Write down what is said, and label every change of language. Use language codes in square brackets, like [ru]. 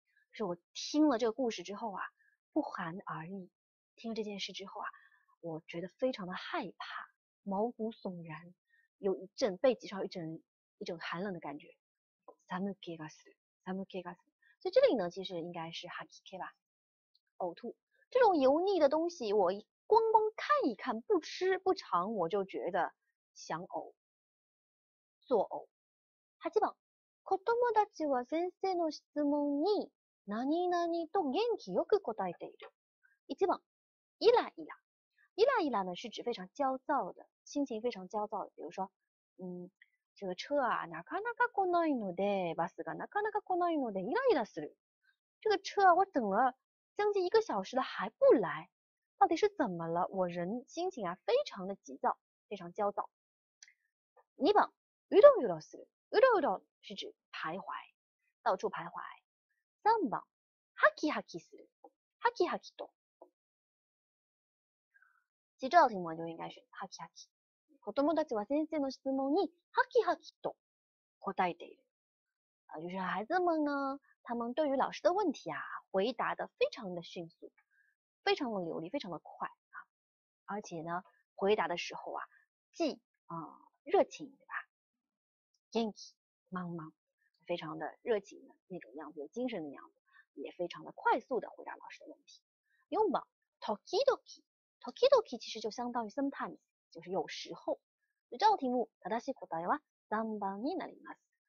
[zh] 是我听了这个故事之后啊，不寒而栗。听了这件事之后啊，我觉得非常的害怕。毛骨悚然，有一阵背脊上一阵寒冷的感觉。 [ja] 寒気がする、寒気がする。 [zh] 所以这里呢，其实应该是吐き気吧，呕吐。这种油腻的东西，我光光看一看，不吃不尝，我就觉得想呕，作呕。 [ja] 8番、子供たちは先生の質問に何々と元気よく答えている。 1番、イライラ。 [zh] イライラ呢，是指非常焦躁的。心情非常焦躁的，比如说，这个车啊， [ja] なかなか来ないので、バスがなかなか来ないので、イライラする。 [zh] 这个车啊，我等了将近一个小时了还不来，到底是怎么了？我人心情啊，非常的急躁，非常焦躁。 [ja] 2番、うろうろする。 [zh] うろうろ是指徘徊，到处徘徊。 [ja] 3番、ハキハキする。ハキハキと。 [zh] 其实这道题目就应该选ハキハキ。 [ja] 子供たちは先生の質問にハキハキと答えている。 [zh] 就是孩子们呢，他们对于老师的问题啊，回答得非常的迅速，非常的流利，非常的快啊。而且呢，回答的时候啊，既热情，对吧？元気、茫茫，非常的热情的那种样子，有精神的样子，也非常的快速的回答老师的问题。 [ja] 4番、時々。 [zh] 時々其实就相当于 sometimes。就是有时候，这道题目 [ja] 正しい答えは3番になります。